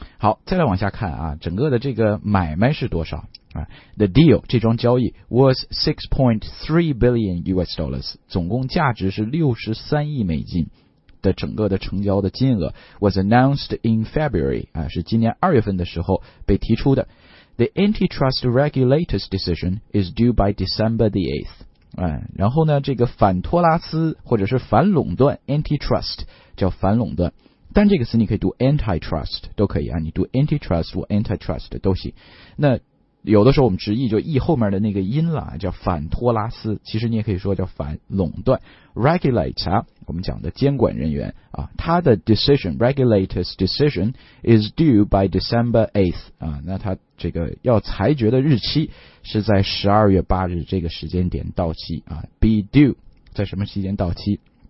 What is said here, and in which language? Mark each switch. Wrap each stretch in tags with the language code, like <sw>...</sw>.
<zh>好，再来往下看啊，整个的这个买卖是多少啊？</zh> <en>The deal</en> <zh>这桩交易</zh> <en>was $6.3 billion，</en> <zh>总共价值是63亿美金的整个的成交的金额</zh> <en>was announced in February，</en> <zh>是今年二月份的时候被提出的。</zh> <en>The antitrust regulator's decision is due by December the 8th。</en> <zh>然后呢，这个反托拉斯或者是反垄断 antitrust 叫反垄断，但这个词你可以读 antitrust 都可以啊，你读 antitrust 或 antitrust 都行。那有的时候我们直译就 e 后面的那个音了，叫反托拉斯，其实你也可以说叫反垄断 regulator，我们讲的监管人员啊，他的</zh> <en>decision regulator's decision is due by December 8th</en> <zh>啊，那他这个要裁决的日期是在12月8日这个时间点到期啊，</zh> <en>be due</en> <zh>在什么时间到期。</zh>